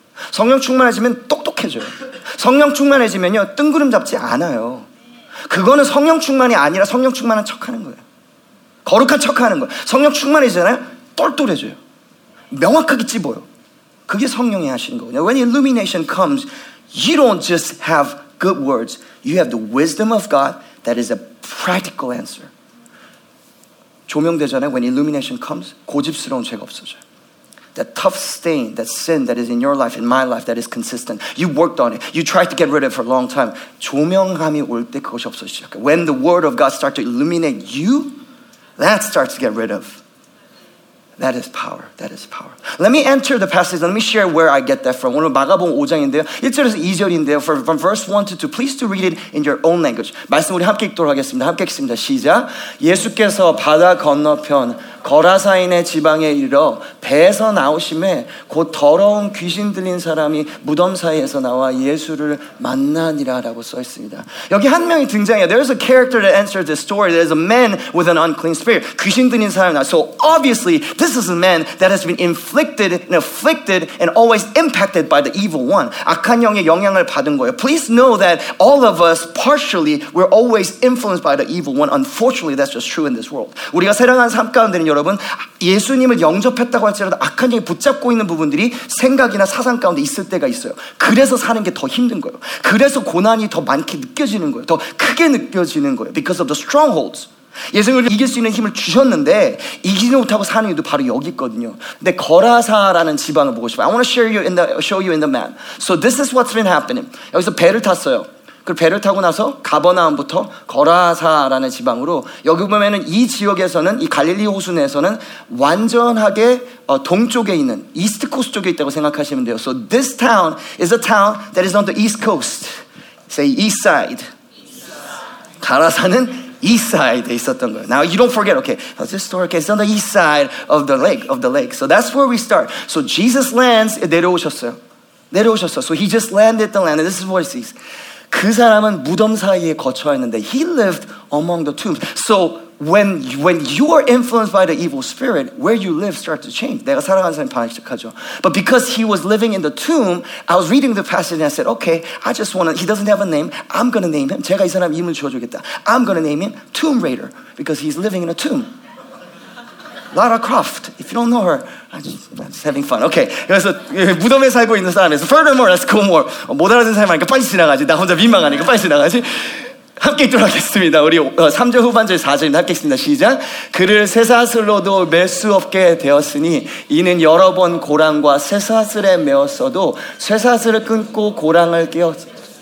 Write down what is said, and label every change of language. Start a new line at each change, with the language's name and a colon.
Korean: 성령 충만해지면 똑똑해져요. 성령 충만해지면요 뜬구름 잡지 않아요. 그거는 성령 충만이 아니라 성령 충만한 척하는 거예요. 거룩한 척하는 거예요. 성령 충만해지잖아요. 똘똘해져요. 명확하게 찝어요. 그게 성령이 하시는 거거든요.
English: When illumination comes, you don't just have good words. You have the wisdom of God that is a practical answer.
Korean: 조명되잖아요.
English: When illumination comes,
Korean: 고집스러운 죄가 없어져요.
English: That tough stain, that sin that is in your life, in my life, that is consistent. You worked on it. You tried to get rid of it for a long time.
Korean: 조명함이 올 때 그것이 없어지죠.
English: When the word of God starts to illuminate you, that starts to get rid of. That is power. That is power. Let me enter the passage. Let me share where I get that from.
Korean: 오늘 마가복음 5장인데요. 1절에서 2절인데요.
English: From verse 1 to 2, please to read it in your own language.
Korean: 말씀 우리 함께 읽도록 하겠습니다. 함께 읽습니다. 시작. 예수께서 바다 건너편 거라사인의 지방에 이르러 배에서 나오심에 곧 더러운 귀신 들린 사람이 무덤 사이에서 나와 예수를 만나니라 라고 써 있습니다. 여기 한 명이 등장해요.
English: There is a character that answers this story. There is a man with an unclean spirit.
Korean: 귀신 들린 사람이 나와.
English: So obviously this is a man that has been inflicted and afflicted and always impacted by the evil one.
Korean: 악한 영의 영향을 받은 거예요.
English: Please know that all of us partially we're always influenced by the evil one. Unfortunately that's just true in this world.
Korean: 우리가 사랑하는 삶 가운데 여러분 예수님을 영접했다고 할지라도 악한 영이 붙잡고 있는 부분들이 생각이나 사상 가운데 있을 때가 있어요. 그래서 사는 게 더 힘든 거예요. 그래서 고난이 더 많게 느껴지는 거예요. 더 크게 느껴지는 거예요.
English: Because of the strongholds.
Korean: 예수님을 이길 수 있는 힘을 주셨는데 이기지 못하고 사는 이유도 바로 여기 있거든요. 근데 거라사라는 지방을 보고 싶어요.
English: I want to share you in the, show you in the map. So this is what's been happening.
Korean: 여기서 배를 탔어요. 그 배를 타고 나서 가버나움부터 거라사라는 지방으로 여기 보면은 이 지역에서는 이 갈릴리 호수 내에서는 완전하게 동쪽에 있는 이스트 코스트 쪽에 있다고 생각하시면 돼요.
English: So this town is a town that is on the east coast. Say east side.
Korean: 가라사는 east side에 있었던 거예요.
English: Now you don't forget. Okay. So this story is on the east side of the lake, So that's where we start. So Jesus lands
Korean: 내려오셨어요. 내려오셨어요.
English: So he just landed the land. And this is what he sees.
Korean: 그 사람은 무덤 사이에 거쳐 있는데
English: he lived among the tombs. So when you are influenced by the evil spirit, where you live starts to change.
Korean: 내가 살아가는 삶이 반응시작하죠.
English: But because he was living in the tomb, I was reading the passage and I said, okay, I just want to, he doesn't have a name, I'm going to name him.
Korean: 제가 이 사람 이름을 지어주겠다.
English: I'm going to name him Tomb Raider because he's living in a tomb. Lara Croft, if you don't know her, I'm just having fun.
Korean: Okay, 그래서 무덤에 살고 있는 사람에서
English: furthermore, let's go more.
Korean: 못 알아듣는 사람이니까 빨리 지나가지. 나 혼자 민망하니까 빨리 지나가지. 함께 읽도록 하겠습니다. 우리 3절 후반절 4절입니다. 함께 읽습니다. 시작. 그를 쇠사슬로도 맬 수 없게 되었으니 이는 여러 번 고랑과 쇠사슬에 매었어도 쇠사슬을 끊고 고랑을 끼었어.